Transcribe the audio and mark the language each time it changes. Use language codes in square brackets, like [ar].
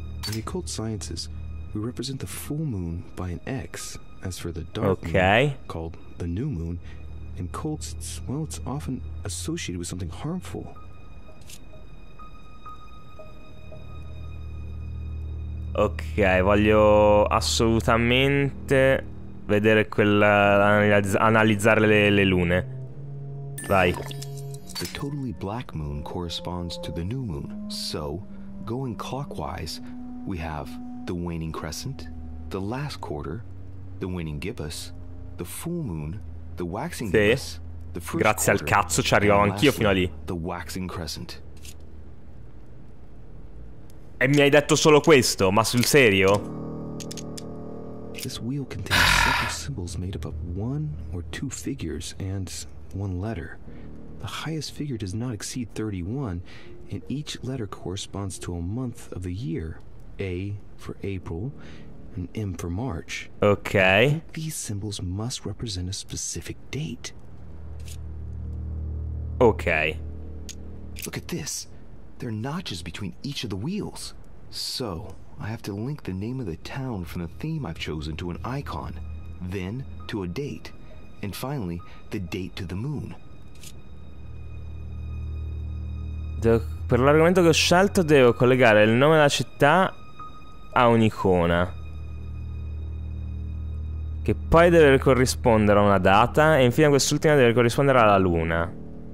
[en] In the occult sciences, we represent the full moon by an X. As for the dark okay. moon, called the new moon, in cults, it's often associated with something harmful. [it] Ok, voglio assolutamente vedere quella analizzare le lune. Vai. [en] The totally black moon corresponds to the new moon. So, going clockwise, we have the waning crescent, the last quarter, the waning gibbous, the full moon, The waxing gibbous. [it] Grazie al cazzo ci arrivavo anch'io fino a lì. [en] The waxing crescent. [it] E mi hai detto solo questo? Ma sul serio? [en] This wheel contains several symbols made up of one or two figures and one letter. The highest figure does not exceed 31, and each letter corresponds to a month of the year. A for April and M for March. Okay. These symbols must represent a specific date. Okay. Look at this. There are notches between each of the wheels. So, I have to link the name of the town from the theme I've chosen to an icon, then to a date, and finally, the date to the moon. [it] Per l'argomento che ho scelto devo collegare il nome della città a un'icona. Che poi deve corrispondere a una data e infine quest'ultima deve corrispondere alla luna.